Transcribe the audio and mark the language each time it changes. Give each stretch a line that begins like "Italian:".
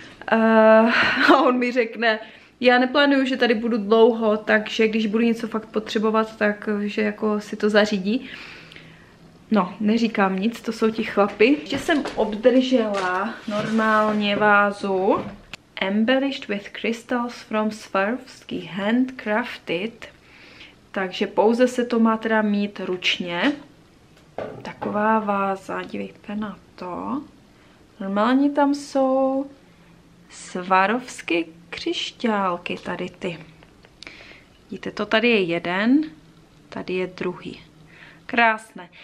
Czech: A on mi řekne, já neplánuju, že tady budu dlouho, takže když budu něco fakt potřebovat, tak že jako si to zařídí. No, neříkám nic, to jsou ti chlapi. Ještě jsem obdržela normálně vázu.
English: Embellished with crystals from Swarovski, handcrafted.
Czech: Takže pouze se to má teda mít ručně. Taková váza, dívejte na to. Normálně tam jsou Swarovski křišťálky, tady ty. Vidíte, to tady je jeden, tady je druhý. Krásné.